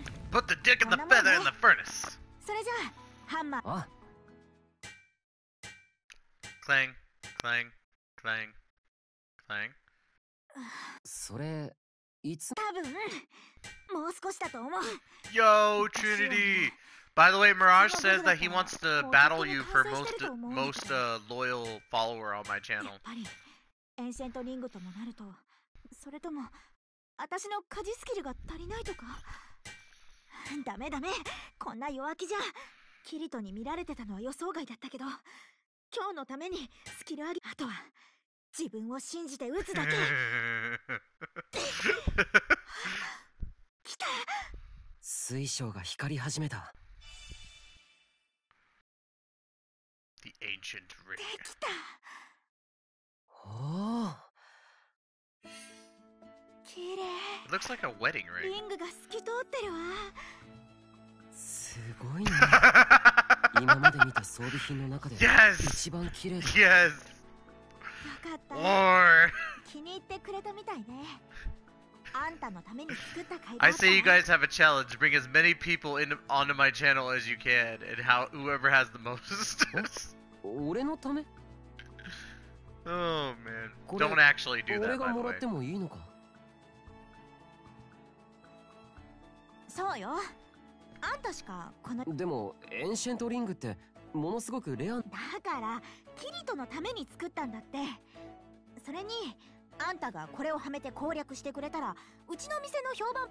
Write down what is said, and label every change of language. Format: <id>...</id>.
<en>Put the dick and the feather in the furnace.</en> <ja>それじゃあ、ハンマー。クラン、クラン、クラン、クラン。それ、いつ多分、もう少しだと思う。</ja> <en>Yo, Trinity! By the way, Mirage says that he wants to battle you for most loyal follower on my channel.</en> <ja>やっぱり、エンシェントリングともなると、それとも、私の家事スキルが足りないとか。ダメダメ、こんな弱気じゃ。キリトに見られてたのは予想外だったけど、今日のためにスキル上げ、あとは自分を信じて打つだけ。来た。水晶が光り始めた。</ja> <en>The ancient ring.</en> <ja>できた。おお。綺麗。</ja> <en>It looks like a wedding ring.</en> <ja>リングが透き通ってるわ。すごいね。今まで見た装備品の中で一番綺麗だ。</ja> <en>Yes!</en> <ja>よかった。</ja> <en>War!</en> <ja>気に入ってくれたみたいね。あんたのために作った会話。</ja> <en>I say you guys have a challenge. Bring as many people onto my channel as you can, and whoever has the most.</en> <ja>俺のため</ja> <en>Oh man. Don't actually do that.</en> <ja>俺がもらってもいいのか。そうよ。あんたしかこのでもエンシェントリングってものすごくレアだから、キ人のために作ったんだって。それにあんたがこれをはめて攻略してくれたらうちの店の評判。</ja>